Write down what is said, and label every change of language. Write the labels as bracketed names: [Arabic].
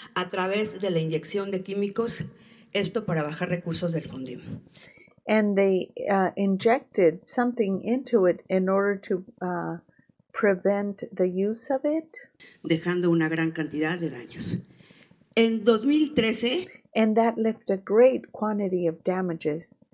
[Spanish] A través de la inyección de químicos, esto para bajar recursos del Fondim. [English] And they injected something into it in order to prevent the use of it, [Spanish] dejando una gran cantidad de daños. En 2013, [English] and that left a great quantity of damages.